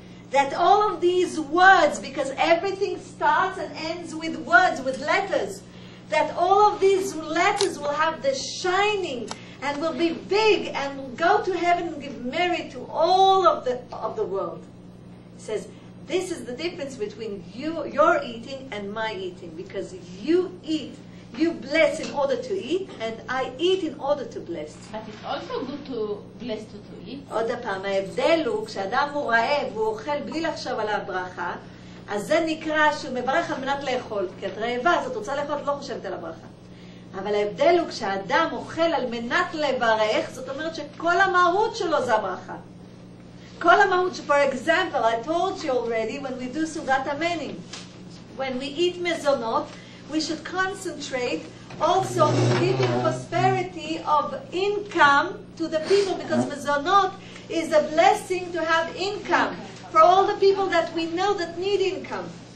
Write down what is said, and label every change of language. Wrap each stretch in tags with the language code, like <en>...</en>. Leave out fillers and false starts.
<en>That all of these words, because everything starts and ends with words, with letters, that all of these letters will have the shining and will be big and will go to heaven and give merit to all of the world. He says, this is the difference between your eating and my eating, because you eat. You bless in order to eat, and I eat in order to bless. But it's also good to bless to eat.</en> <he>עוד הפעם, ההבדל הוא, כשאדם הוא רעב, הוא אוכל בלי לחשוב על הברכה, אז זה נקרא שהוא מברך על מנת לאכול. כי את רעבה, אז את רוצה לאכול, את לא חושבת על הברכה. אבל ההבדל הוא, כשאדם אוכל על מנת לברך, זאת אומרת שכל המהות שלו זה הברכה. כל המהות,</he> <en>for example, I told you already, when we do סעודת המנים, when we eat מזונות, we should concentrate also on giving prosperity of income to the people, because mezonot is a blessing to have income for all the people that we know that need income.</en>